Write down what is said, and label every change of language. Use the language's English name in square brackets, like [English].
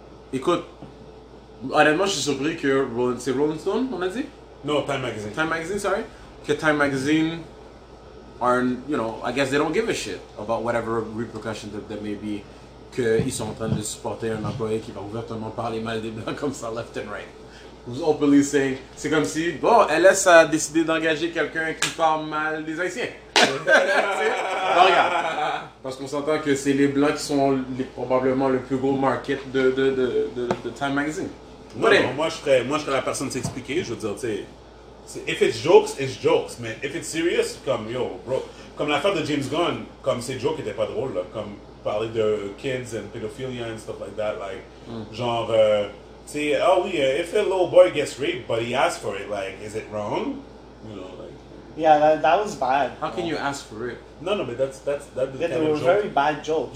[French] Écoute, honnêtement, je suis surpris que Rolling Stone, on a dit. [English] No, Time Magazine. Time Magazine, sorry. Que Time Magazine aren't, you know, I guess they don't give a shit about whatever repercussions that there may be. [French] Que ils sont en train de supporter un employé qui va ouvertement parler mal des blancs comme ça, [English] left and right. Who's openly saying, [French] c'est comme si, bon, LS a décidé d'engager quelqu'un qui parle mal des Haïtiens. Non, regarde. Parce qu'on s'entend que c'est les Blancs qui sont probablement le plus gros market de Time Magazine. Non, moi, je serais la personne s'expliquer. Je veux dire, tu sais, [English] See, if it's jokes, it's jokes, man. If it's serious, come, yo, bro. [French] Comme l'affaire de James Gunn, comme ces jokes étaient pas drôles, là. [English] Comme parler de kids and pedophilia and stuff like that, like, [French] genre, tu sais, oh oui, [English] if a little boy gets raped, but he asks for it, like, is it wrong? You know, like. Yeah, that was bad. How can you ask for it? No, no, but that's yeah, they were joke. Very bad jokes.